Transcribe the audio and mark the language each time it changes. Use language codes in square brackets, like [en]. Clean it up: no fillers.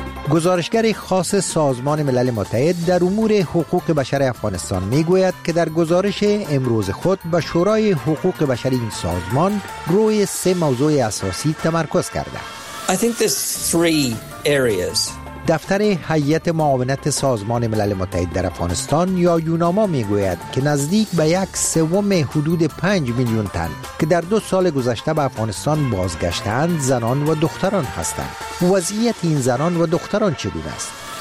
[fa] گزارشگر خاص سازمان ملل متحد در امور حقوق بشر افغانستان میگوید که در گزارش امروز خود به شورای حقوق بشر این سازمان روی سه موضوع اساسی تمرکز کرده. [en] I think there's three areas. [fa] دفتر هیئت معاونت سازمان ملل متحد در افغانستان یا یوناما میگوید که نزدیک به یک سوم حدود 5 میلیون تن که در دو سال گذشته به افغانستان بازگشتند زنان و دختران هستند. وضعیت این زنان و دختران چگونه است؟